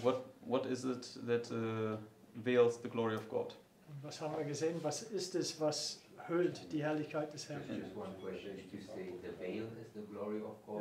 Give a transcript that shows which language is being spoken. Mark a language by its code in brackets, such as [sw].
[en] What is it that veils the glory of God? [de] Und was haben wir gesehen? Was ist es, was hüllt die Herrlichkeit des Herrn? [en] Just one question: did you say the veil is the glory of God?